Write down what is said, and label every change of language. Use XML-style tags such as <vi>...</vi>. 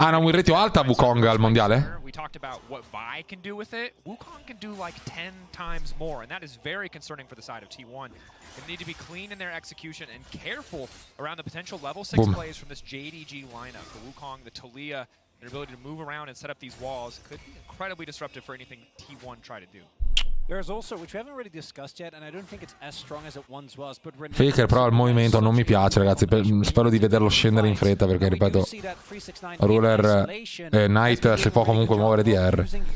<it>hanno un ratio alto a Wukong al mondiale?</it> <en>We talked about what Vi can do with it. Wukong can do like 10 times more, and that is very concerning for the side of T1. They need to be clean in their execution and careful around the potential level 6 plays from this JDG lineup. The Wukong, the Taliyah, their ability to move around and set up these walls could be incredibly disruptive for anything T1 try to do. There's also, which we haven't really discussed yet, and I don't think it's as strong as it once was, but</en> <it>Faker, però il movimento non mi piace, ragazzi. Spero di vederlo scendere in fretta, perché ripeto, Ruler Knight si può comunque muovere di R.</it>